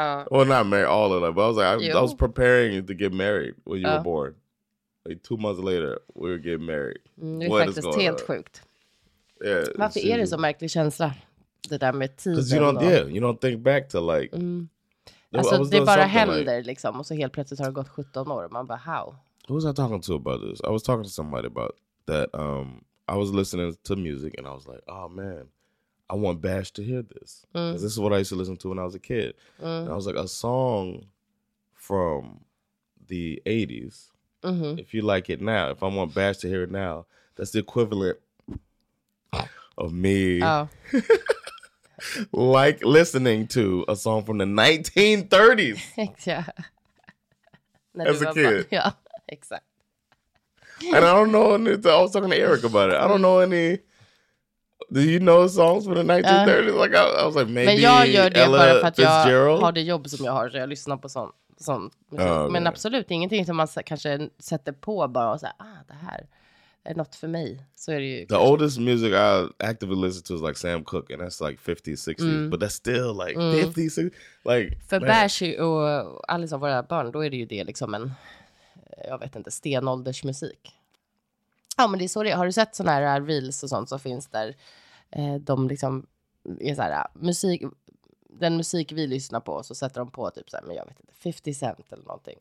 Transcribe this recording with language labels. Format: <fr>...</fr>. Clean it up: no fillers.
<en>Well, not married all of life, but I was like, I was preparing you to get married when you were born. Like 2 months later, we were getting married.</en> <sv>Mm, det är faktiskt helt sjukt.</sv> <en>Yeah,</en> <sv>varför är det så märklig känsla? Det där med tiden.</sv> <en>Because you don't think back to like... Mm.</en> <sv>Alltså det bara händer like, liksom, och så helt plötsligt har det gått 17 år. Man bara, how?</sv> <en>Who was I talking to about this? I was talking to somebody about that. I was listening to music and I was like, oh man, I want Bash to hear this. Mm. This is what I used to listen to when I was a kid. Mm. And I was like, a song from the 80s, mm-hmm, if you like it now, if I want Bash to hear it now, that's the equivalent of me. Oh. Like listening to a song from the 1930s. Yeah. As a kid. Yeah, exactly. And I don't know any, I was talking to Eric about it. I don't know any. Do you know songs from the 1930s? Like I was like, maybe.</en> <sv>Men jag gör det Ella bara för att Fitzgerald? Jag har det jobb som jag har, så jag lyssnar på sånt.</sv> <en>Okay.</en> <sv>Men absolut ingenting som man kanske sätter på bara och säger, ah, det här är något för mig, så är det ju.</sv> <en>The oldest music I actively listen to is like Sam Cooke, and that's like 50s, 60s. Mm. But that's still like 50s, 60s. Like,</en> <sv>för Bash och alla våra barn, då är det ju det liksom en, jag vet inte, stenåldersmusik. Ja, men det är så det är. Har du sett sådana här reels och sånt som finns där de liksom är så här, musik, den musik vi lyssnar på, så sätter de på typ såhär, men jag vet inte, 50 Cent eller någonting.</sv>